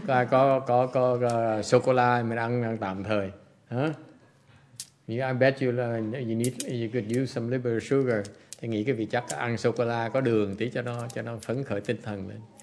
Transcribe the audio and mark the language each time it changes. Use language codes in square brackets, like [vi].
[vi] có sô cô la mình ăn tạm thời, hả? [en] Huh? I bet you you could use some little bit of sugar. [vi] Thì nghĩ cái vị chắc ăn sô cô la có đường tí cho nó phấn khởi tinh thần lên.